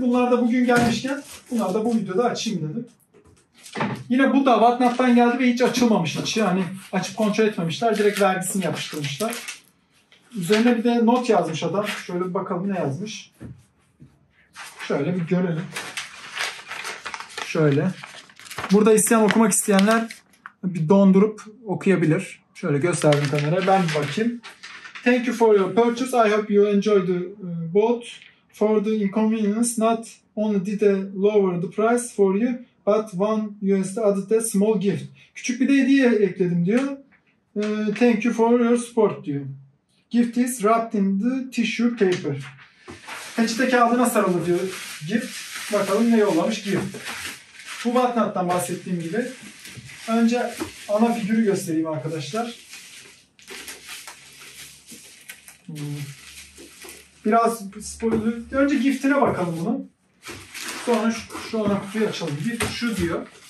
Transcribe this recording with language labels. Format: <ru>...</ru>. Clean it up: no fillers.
<tr>Bunlar da bugün gelmişken bunları da bu videoda açayım dedim. Yine bu da Batnat'tan geldi ve hiç açılmamış hiç. Yani açıp kontrol etmemişler. Direkt vergisini yapıştırmışlar. Üzerine bir de not yazmış adam. Şöyle bir bakalım ne yazmış. Şöyle bir görelim. Şöyle. Burada isteyen okumak isteyenler bir dondurup okuyabilir. Şöyle gösterdim kameraya. Ben bir bakayım.</tr> <en>Thank you for your purchase. I hope you enjoyed the boat. For the inconvenience, not only did I lower the price for you, but $1 added a small gift.</en> <tr>Küçük bir de hediye ekledim diyor.</tr> <en>Thank you for your support</en> <tr>diyor.</tr> <en>Gift is wrapped in the tissue paper.</en> <tr>Peçete kağıdına sarılı diyor gift. Bakalım ne yollamış gift. Bu banknottan bahsettiğim gibi. Önce ana figürü göstereyim arkadaşlar. Biraz spoiler. Önce giftine bakalım bunu. Sonra şu ana kutuyu açalım. Gift şu diyor.</tr>